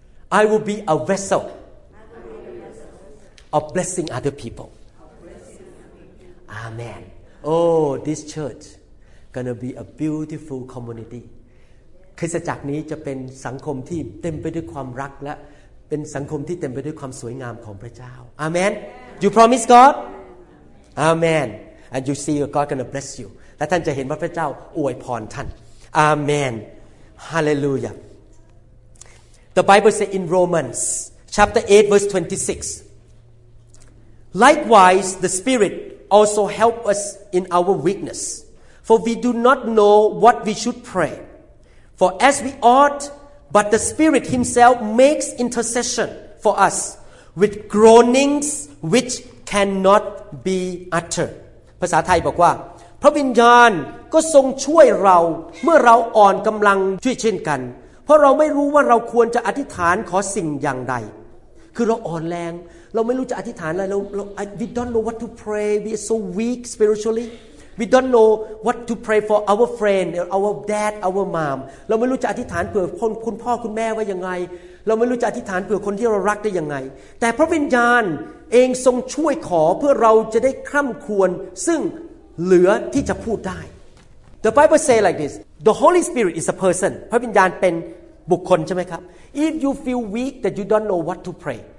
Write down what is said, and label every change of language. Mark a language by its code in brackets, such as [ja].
[en] I will be a vessel of blessing other people. Amen. Oh, this church gonna be a beautiful community. [th] คริสตจักรนี้จะเป็นสังคมที่เต็มไปด้วยความรักและเป็นสังคมที่เต็มไปด้วยความสวยงามของพระเจ้าอาเมน [en] You promise God Amen And you see God gonna bless you [th] และท่านจะเห็นว่าพระเจ้าอวยพรท่านอาเมน [en] Hallelujah The Bible says in Romans chapter 8 verse 26 Likewise the Spirit also help us in our weakness for we do not know what we should pray for as we oughtBut the Spirit Himself makes intercession for us with groanings which cannot be uttered. [th] ภาษาไทยบอกว่าพระวิญญาณก็ทรงช่วยเราเมื่อเราอ่อนกำลังช่วยเช่นกันเพราะเราไม่รู้ว่าเราควรจะอธิษฐานขอสิ่งอย่างใดคือเราอ่อนแรงเราไม่รู้จะอธิษฐานอะไรเรา [en] we don't know what to pray. We are so weak spiritually. We don't know what to pray for our friend, our dad, our mom. [th] เราไม่รู้จะอธิษฐานเผื่อคุณพ่อคุณแม่ว่ายังไงเราไม่รู้จะอธิษฐานเผื่อคนที่เรารักได้ยังไงแต่พระวิญญาณเองทรงช่วยขอเพื่อเราจะได้คร่ำครวญซึ่งเหลือที่จะพูดได้ [en] The Bible say like this. The Holy Spirit is a person. [th] พระวิญญาณเป็นบุคคลใช่ไหมครับ [en] If you feel weak that you don't know what to pray.